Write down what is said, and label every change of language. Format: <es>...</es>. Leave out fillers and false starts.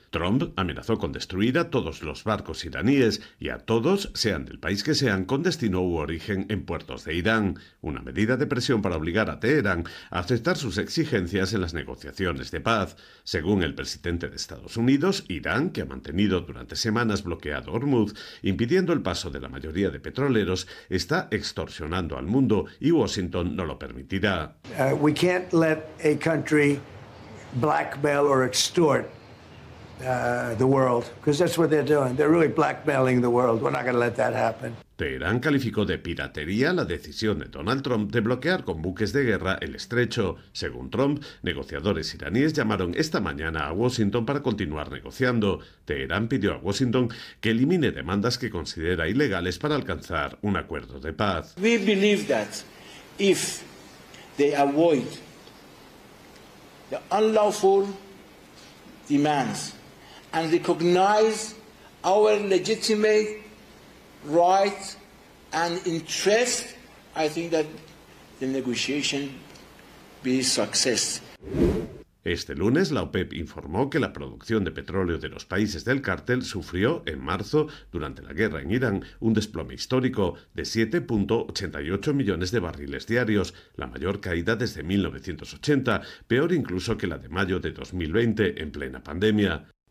<es>Trump amenazó con destruir a todos los barcos iraníes y a todos, sean del país que sean, con destino u origen en puertos de Irán, una medida de presión para obligar a Teherán a aceptar sus exigencias en las negociaciones de paz. Según el presidente de Estados Unidos, Irán, que ha mantenido durante semanas bloqueado Hormuz, impidiendo el paso de la mayoría de petroleros, está extorsionando al mundo y Washington no lo permitirá.</es> <en>We can't let a country blackmail or extort the world, because that's what they're doing. They're really blackmailing the world. We're not going to let that happen.</en> <es>Teherán calificó de piratería la decisión de Donald Trump de bloquear con buques de guerra el estrecho. Según Trump, negociadores iraníes llamaron esta mañana a Washington para continuar negociando. Teherán pidió a Washington que elimine demandas que considera ilegales para alcanzar un acuerdo de paz.</es> <en>We believe that if they avoid the unlawful demands and recognize our legitimate rights and interests, I think that the negotiation be success.</en> <es>Este lunes, la OPEP informó que la producción de petróleo de los países del cártel sufrió, en marzo, durante la guerra en Irán, un desplome histórico de 7.88 millones de barriles diarios, la mayor caída desde 1980, peor incluso que la de mayo de 2020, en plena pandemia.</es>